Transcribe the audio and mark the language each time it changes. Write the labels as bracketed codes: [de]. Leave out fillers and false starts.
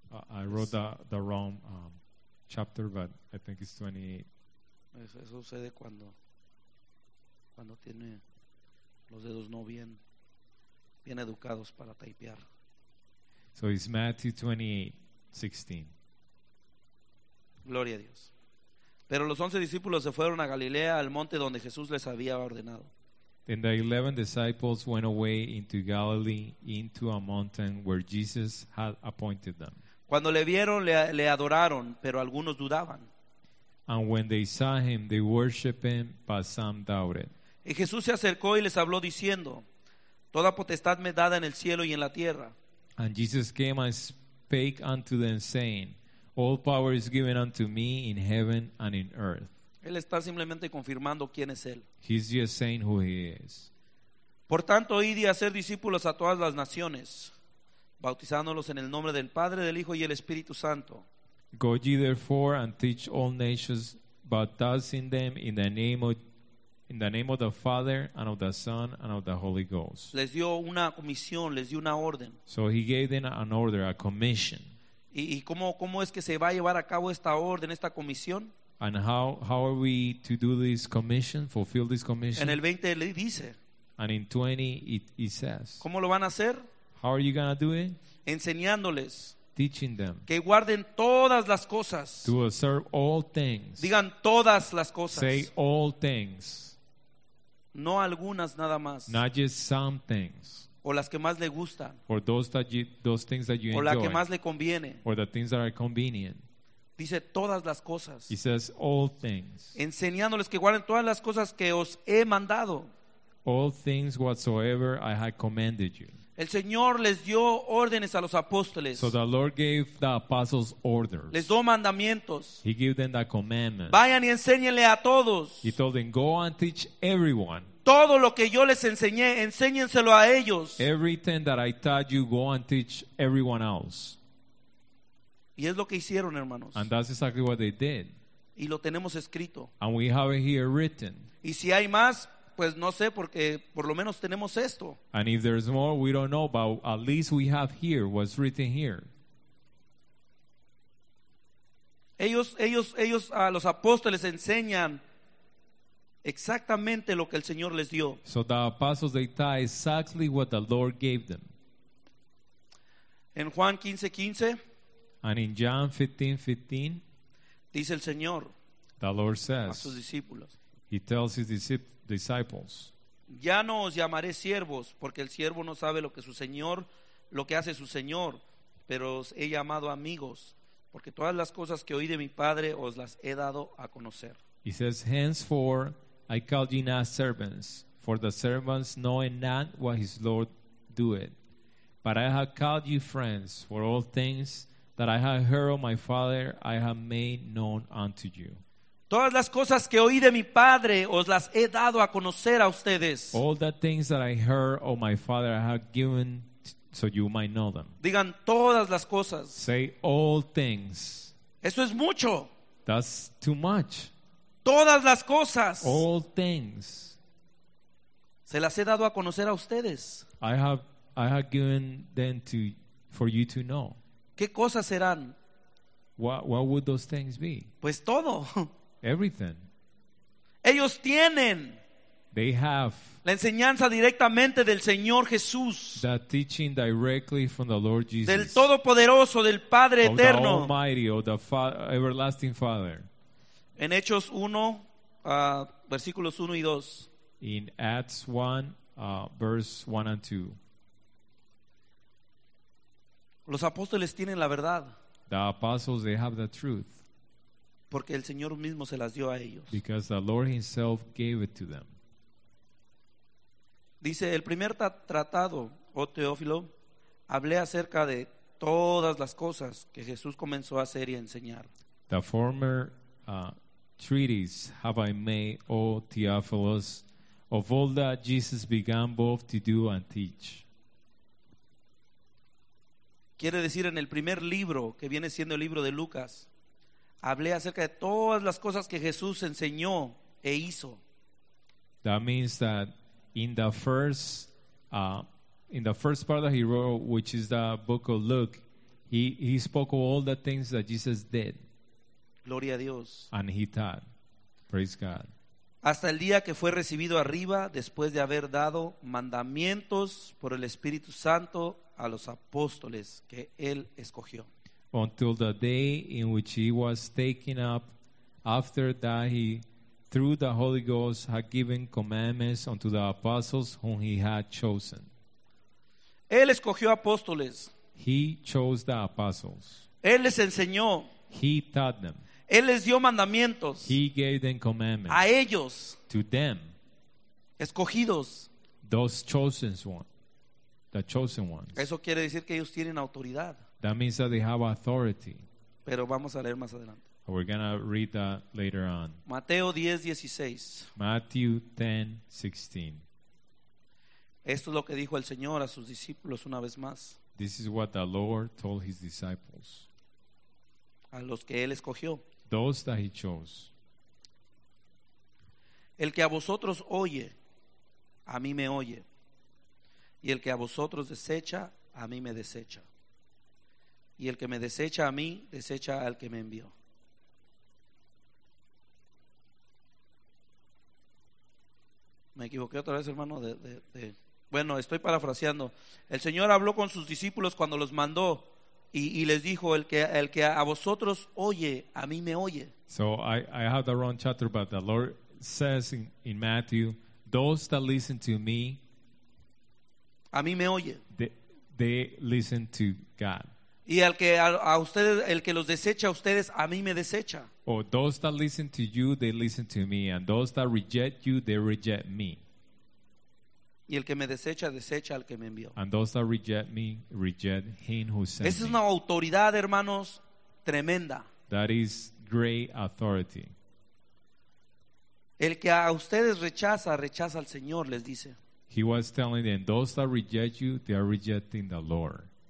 [en] I wrote the wrong chapter, but I think it's 28. [es] Eso sucede cuando tiene los dedos no bien educados para taipear. [en] So it's Matthew 28:16. [es] Gloria a Dios. Pero los 11 discípulos se fueron a Galilea, al monte donde Jesús les había ordenado. [en] Then the 11 disciples went away into Galilee, into a mountain where Jesus had appointed them. [es] Cuando le vieron, le adoraron, pero algunos dudaban. [en] And when they saw him, they worshipped him, but some doubted. [es] Y Jesús se acercó y les habló diciendo, toda potestad me dada en el cielo y en la tierra. [en] And Jesus came and spake unto them, saying, all power is given unto me in heaven and in earth. [es] Él está simplemente confirmando quién es Él. [en] He's just saying who He is. [es] Por tanto, id y hacer discípulos a todas las naciones, bautizándolos en el nombre del Padre, del Hijo y el Espíritu Santo. [en] Go ye therefore and teach all nations, baptizing them in the name of the Father and of the Son and of the Holy Ghost. [es] Les dio una comisión, les dio una orden. [en] So he gave them an order, a commission. [es] ¿Y cómo es que se va a llevar a cabo esta orden, esta comisión? [en] And how are we to do this commission, fulfill this commission? [es] En el 20 le dice. [en] And in 20 it says. [es] ¿Cómo lo van a hacer? [en] How are you going to do it? [es] Enseñándoles. [en] Teaching them. [es] Que guarden todas las cosas. [en] To observe all things. [es] Digan todas las cosas. [en] Say all things. [es] No algunas nada más. [en] Not just some things. [es] O las que más le gustan. [en] Or those things that you enjoy. [es] O la que más le conviene. [en] Or the things that are convenient. [es] Dice todas las cosas. [en] He says all things. [es] Enseñándoles que guarden todas las cosas que os he mandado. [en] All things whatsoever I have commanded you. [es] El Señor les dio órdenes a los apóstoles. [en] So the Lord gave the apostles orders. [es] Les dio mandamientos. [en] He gave them the commandments. [es] Vayan y enséñenle a todos. [en] He told them, go and teach everyone. [es] Todo lo que yo les enseñé, enséñenselo a ellos. [en] Everything that I taught you, go and teach everyone else. [es] Y es lo que hicieron, hermanos. [en] And that's exactly what they did. [es] Y lo tenemos escrito. [en] And we have it here written. [es] Y si hay más, pues no sé, porque por lo menos tenemos esto. [en] And if there's more, we don't know, but at least we have here what's written here. [es] Ellos a los apóstoles enseñan exactamente lo que el Señor les dio. [en] So the apostles, they taught exactly what the Lord gave them. [es] En Juan 15:15. [en] And in John 15:15. [es] Dice el Señor. [en] The Lord says. [es] A sus discípulos. [en] He tells his disciples. [es] Ya no os llamaré siervos, porque el siervo no sabe lo que su señor, lo que hace su señor. Pero os he llamado amigos, porque todas las cosas que oí de mi Padre os las he dado a conocer. [en] He says, henceforth I call you not servants, for the servants know not what his Lord doeth. But I have called you friends, for all things that I have heard of my Father I have made known unto you. [es] Todas las cosas que oí de mi Padre os las he dado a conocer a ustedes. [en] All the things that I heard of my Father I have given so you might know them. [es] Digan todas las cosas. [en] Say all things. [es] Eso es mucho. [en] That's too much. [es] todas las cosas. [en] All things. [es] Se las he dado a conocer a ustedes. [en] I have given them to for you to know. [es] ¿Qué cosas serán? [en] What would those things be? [es] Pues todo. [en] Everything. [es] Ellos tienen. [en] They have. [es] La enseñanza directamente del Señor Jesús. [en] The teaching directly from the Lord Jesus. [es] Del Todopoderoso, del Padre [en] of [es] Eterno. [en] The Almighty, of the everlasting Father. [es] En Hechos 1, versículos 1 y 2. [en] In Acts 1, verse 1 and 2. [es] Los apóstoles tienen la verdad. [en] The apostles, they have the truth. [es] Porque el Señor mismo se las dio a ellos. [en] Because the Lord himself gave it to them. [es] Dice, el primer tratado, oh Teófilo, hablé acerca de todas las cosas que Jesús comenzó a hacer y a enseñar. [en] The former treatise have I made, oh Theophilus, of all that Jesus began both to do and teach. [es] Quiere decir, en el primer libro, que viene siendo el libro de Lucas, hablé acerca de todas las cosas que Jesús enseñó e hizo. [en] That means that in the first part that he wrote, which is the book of Luke, he spoke of all the things that Jesus did. [es] Gloria a Dios. [en] And he taught. Praise God. [es] Hasta el día que fue recibido arriba, después de haber dado mandamientos por el Espíritu Santo a los apóstoles que él escogió. [en] Until the day in which he was taken up, after that he, through the Holy Ghost, had given commandments unto the apostles whom he had chosen. [es] Él escogió apóstoles. [en] He chose the apostles. [es] Él les enseñó. [en] He taught them. [es] Él les dio mandamientos. [en] He gave them commandments. [es] A ellos. [en] To them. [es] Escogidos. [en] Those chosen ones. The chosen ones. [es] Eso quiere decir que ellos tienen autoridad. [en] That means that they have authority. [es] Pero vamos a leer más adelante. [en] We're going to read that later on. [es] Mateo 10, 16. [en] Matthew 10, 16. [es] Esto es lo que dijo el Señor a sus discípulos una vez más. [en] This is what the Lord told his disciples. [es] A los que él escogió. [en] Those that he chose. [es] El que a vosotros oye, a mí me oye. Y el que a vosotros desecha, a mí me desecha. Y el que me desecha a mí, desecha al que me envió. Me equivoqué otra vez, hermano. Bueno, estoy parafraseando. El Señor habló con sus discípulos cuando los mandó y les dijo, el que a vosotros oye, a mí me oye. [en] So I have the wrong chapter, but the Lord says in Matthew, those that listen to me, [es] a mí me oye. [en] They listen to God. [es] Y al que a ustedes, el que los desecha a ustedes, a mí me desecha. [en] Or those that listen to you, they listen to me. And those that reject you, they reject me. [es] Y el que me desecha, desecha al que me envió. [en] And those that reject me, reject him who sent me. [es] Esa es una autoridad, hermanos, tremenda. [en] That is great authority. [es] El que a ustedes rechaza, rechaza al Señor, les dice. [en] He was telling them, those that reject you, they are rejecting the Lord.